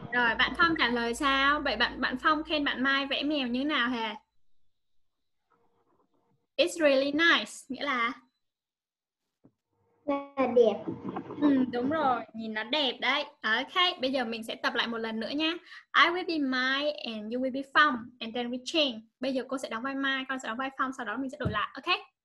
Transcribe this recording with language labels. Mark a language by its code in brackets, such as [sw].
[vi] Rồi, bạn Phong trả lời sao? Vậy bạn Phong khen bạn Mai vẽ mèo như nào hả? [en] It's really nice. [vi] Nghĩa là? Nghĩa là đẹp. Ừ, đúng rồi, nhìn nó đẹp đấy. Ok, bây giờ mình sẽ tập lại một lần nữa nha. [en] I will be Mai and you will be Phong and then we change. [vi] Bây giờ cô sẽ đóng vai Mai, con sẽ đóng vai Phong, sau đó mình sẽ đổi lại, ok?